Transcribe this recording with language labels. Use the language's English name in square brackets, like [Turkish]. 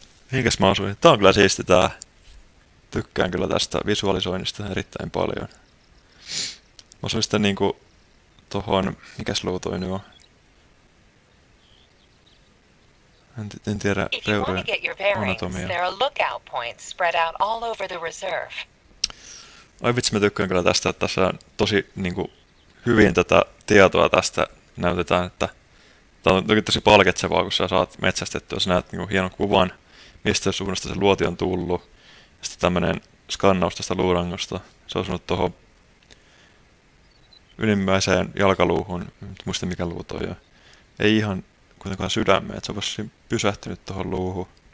[Finnish] Mihinkäs mä osuin? Tää on kyllä siisti tää. Tykkään kyllä tästä visualisoinnista erittäin paljon. Mä osuin sitten niinku tohon, mikäs luu toi nyt on? En tiedä peurojen anatomiaa. [English] There are lookout points spread out all over the reserve. [Finnish] Ai vitsi, mä tykkään kyllä tästä, että tässä on tosi niinku hyvin tätä tietoa tästä näytetään, että tämä on tosi palkitsevaa, kun sä saat metsästettyä, sä näet niinku hienon kuvan, mistä suunnasta se luoti on tullut, ja sitten tämmönen skannaus tästä luurangosta, se on osunut tuohon ylimmäiseen jalkaluuhun, en muista mikä luu toi on, ei ihan kuitenkaan sydämeen, että se olisi pysähtynyt tuohon luuhun.